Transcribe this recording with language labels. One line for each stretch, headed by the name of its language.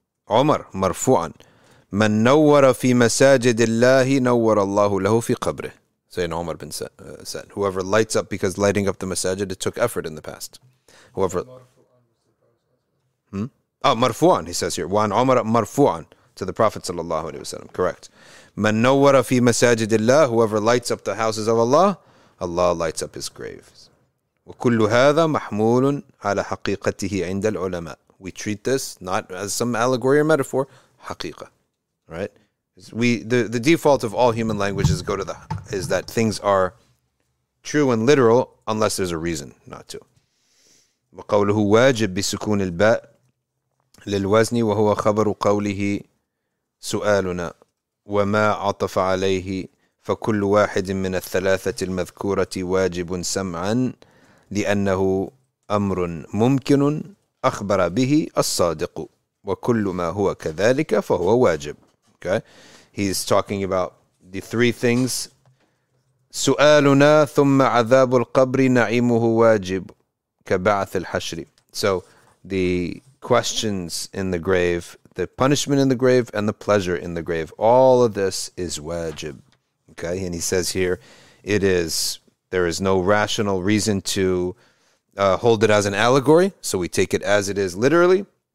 Arabic: عمر مرفوعا من نور في مساجد الله نور الله له في قبره.
English: Sayyidina Umar bin said, whoever lights up because lighting up the masajid, it took effort in the past. Whoever... Oh, marfu'an, he says here.
Arabic: Wa'an Umar marfu'an
English: to the Prophet
Arabic: sallallahu alayhi wa sallam.
English: Correct.
Arabic: Man nawwara fi masajidillah,
English: whoever lights up the houses of Allah, Allah lights up his graves.
Arabic: Wa kullu hadha mahmulun ala haqiqatihi inda al-ulama.
English: We treat this not as some allegory or metaphor, haqiqa. Right? The default of all human languages go to the is that things are true and literal unless there's a reason not to.
Arabic: وقوله واجب بسكون الباء للوزن وهو خبر قوله سؤالنا وما عطف عليه فكل واحد من الثلاثة المذكورة واجب سمعا لأنه أمر ممكن أخبر به الصادق وكل ما هو كذلك فهو واجب.
English: Okay. He's talking about the three things.
Arabic: سؤالنا ثم عذاب القبر نعيمه واجب كبعث الحشر.
English: So the questions in the grave, the punishment in the grave, and the pleasure in the grave, all of this is wajib. Okay, and he says here, it is, there is no rational reason to hold it as an allegory, so we take it as it is literally.